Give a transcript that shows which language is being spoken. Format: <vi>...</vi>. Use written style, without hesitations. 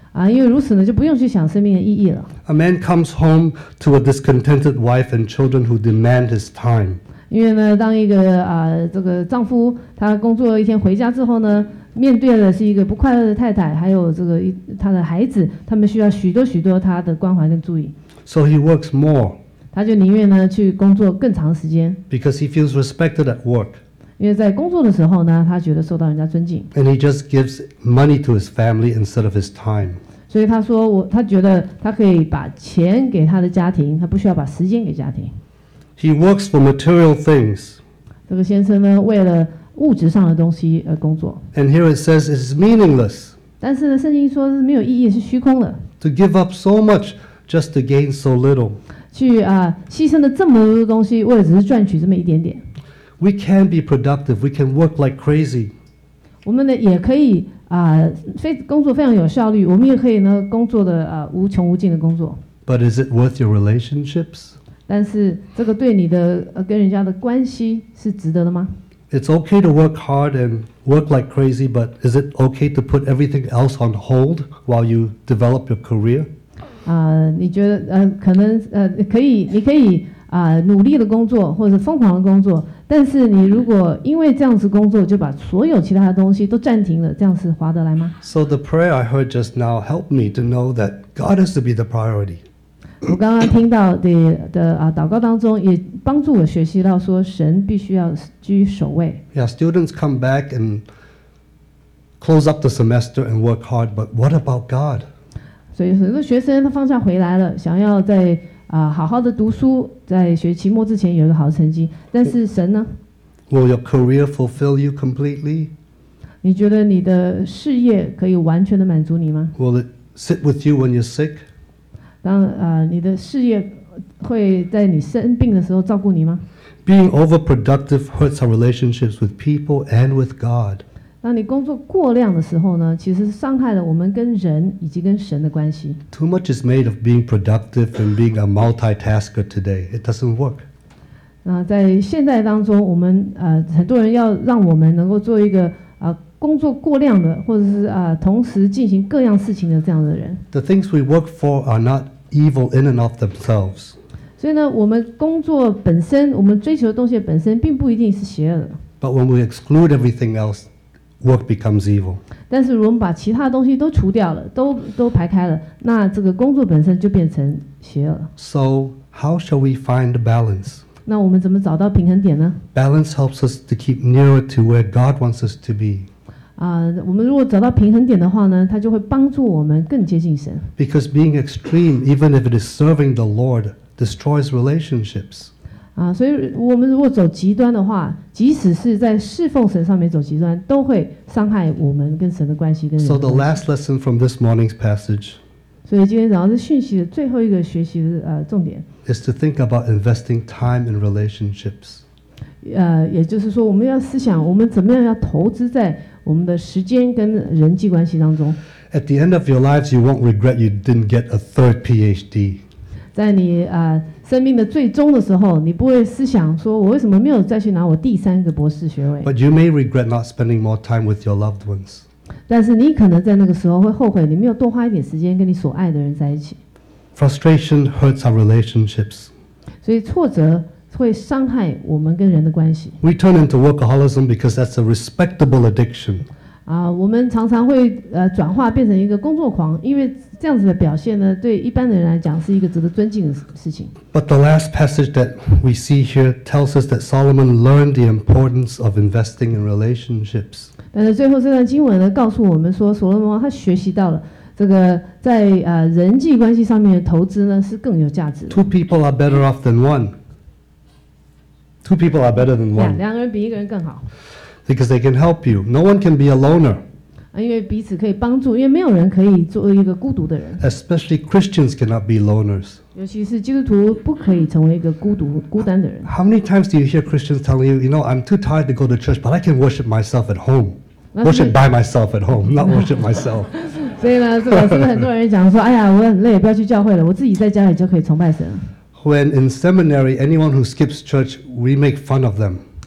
<zh>因为如此呢，就不用去想生命的意义了。</zh> <en>A man comes home to a discontented wife and children who demand his time.</en> <zh>因为呢，当一个这个丈夫他工作一天回家之后呢。面对的是一个不快乐的太太，还有这个他的孩子，他们需要许多许多他的关怀跟注意。</zh> <en>So he works more.</en> <zh>他就宁愿呢去工作更长时间。</zh> <en>Because he feels respected at work.</en> <zh>因为在工作的时候呢，他觉得受到人家尊敬。</zh> <en>And he just gives money to his family instead of his time.</en> <zh>所以他说他觉得他可以把钱给他的家庭，他不需要把时间给家庭。</zh> <en>He works for material things.</en> <zh>这个先生呢，为了物质上的东西而工作。</zh> <en>And here it says it's meaningless.</en> <zh>但是呢，圣经说是没有意义，是虚空的。</zh> <en>To give up so much just to gain so little.</en> <zh>去牺牲了这么多东西，为了只是赚取这么一点点。</zh> <en>We can be productive. We can work like crazy.</en> <zh>我们呢也可以工作非常有效率，我们也可以呢工作的无穷无尽的工作。</zh> <en>But is it worth your relationships?</en> <zh>但是这个对你的跟人家的关系是值得的吗？</zh> <en>It's okay to work hard and work like crazy, but is it okay to put everything else on hold while you develop your career?</en> <zh>你觉得可能可以，你可以努力的工作或者疯狂的工作，但是你如果因为这样子工作就把所有其他的东西都暂停了，这样是划得来吗？</zh> <en>So the prayer I heard just now helped me to know that God has to be the priority.</en> <zh>我刚刚听到的祷告当中也帮助我学习到说神必须要居首位。</zh> <en>Yeah, students come back and close up the semester and work hard, but what about God?</en> <zh>所以很多学生他放假回来了，想要在好好的读书，在学期末之前有一个好成绩，但是神呢？</zh> <en>Will your career fulfill you completely?</en> <zh>你觉得你的事业可以完全的满足你吗？</zh> <en>Will it sit with you when you're sick?</en> <zh>当你的事业会在你生病的时候照顾你吗？</zh> <en>Being overproductive hurts our relationships with people and with God.</en> <zh>当你工作过量的时候呢，其实伤害了我们跟人以及跟神的关系。</zh> <en>Too much is made of being productive and being a multitasker today. It doesn't work.</en> <zh>在现代当中，我们很多人要让我们能够做一个工作过量的，或者是同时进行各样事情的这样的人。</zh> <en>The things we work for are not evil in and of themselves.</en> <zh>所以呢，我们工作本身，我们追求的东西本身，并不一定是邪恶的。</zh> <en>But when we exclude everything else, work becomes evil.</en> <zh>但是如果我们把其他东西都除掉了，都排开了，那这个工作本身就变成邪恶了。</zh> <en>So how shall we find the balance?</en> <zh>那我们怎么找到平衡点呢？</zh> <en>Balance helps us to keep nearer to where God wants us to be.</en> <zh>我们如果找到平衡点的话呢，它就会帮助我们更接近神。</zh> <en>Because being extreme, even if it is serving the Lord, destroys relationships.</en> <zh>所以我们如果走极端的话，即使是在侍奉神上面走极端，都会伤害我们跟神的关系，跟人的关系。</zh> <en>So the last lesson from this morning's passage.</en> <zh>所以今天早上是讯息的最后一个学习的重点。</zh> <en>Is to think about investing time in relationships.</en> <zh>也就是说，我们要思想我们怎么样要投资在我们的时间跟人际关系当中。</zh> <en>At the end of your lives, you won't regret you didn't get a third PhD.</en> <zh>在你生命的最终的时候，你不会思想说我为什么没有再去拿我第三个博士学位。</zh> <en>But you may regret not spending more time with your loved ones.</en> <zh>但是你可能在那个时候会后悔，你没有多花一点时间跟你所爱的人在一起。</zh> <en>Frustration hurts our relationships.</en> <zh>所以挫折会伤害我们跟人的关系。</zh> <en>We turn into workaholism because that's a respectable addiction.</en> <zh>我们常常会转化变成一个工作狂，因为这样子的表现呢，对一般的人来讲是一个值得尊敬的事情。</zh> <en>But the last passage that we see here tells us that Solomon learned the importance of investing in relationships.</en> <zh>但是最后这段经文呢，告诉我们说，所罗门王他学习到了这个在人际关系上面的投资呢是更有价值的。</zh> <en>Two people are better off than one. Two people are better than one.</en> <zh>两个人比一个人更好。</zh> <en>Because they can help you. No one can be a loner.</en> <zh>因为彼此可以帮助，因为没有人可以做一个孤独的人。</zh> <en>Especially Christians cannot be loners.</en> <zh>尤其是基督徒不可以成为一个孤单的人。</zh> <en>How many times do you hear Christians telling you, you know, I'm too tired to go to church, but I can worship myself at home. Worship by myself at home, not worship myself.</en> <zh>所以呢，是不是很多人讲说，哎呀，我很累，不要去教会了，我自己在家里就可以崇拜神。</zh> <en>When in seminary, anyone who skips church, we make fun of them.</en>